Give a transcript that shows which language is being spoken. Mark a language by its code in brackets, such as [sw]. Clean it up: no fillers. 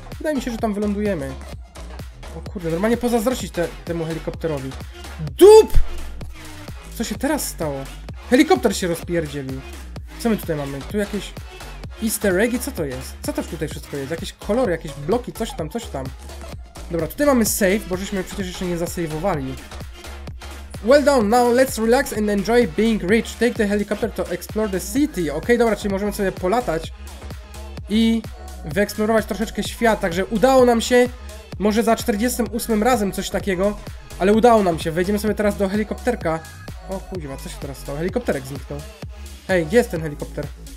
[pl] Wydaje mi się, że tam wylądujemy. O kurde, normalnie pozazdrościć temu helikopterowi. Dup! Co się teraz stało? Helikopter się rozpierdzielił. Co my tutaj mamy? Tu jakieś easter eggi? Co to jest? Co to tutaj wszystko jest? Jakieś kolory, jakieś bloki, coś tam. Dobra, tutaj mamy save, bo żeśmy przecież jeszcze nie zasejwowali. [en] Well done, now let's relax and enjoy being rich. Take the helicopter to explore the city. [pl] Okej, dobra, czyli możemy sobie polatać i wyeksplorować troszeczkę świat, także udało nam się, może za 48 razem coś takiego, ale udało nam się, wejdziemy sobie teraz do helikopterka. O kuźwa, co się teraz stało? Helikopterek zniknął. Hej, gdzie jest ten helikopter?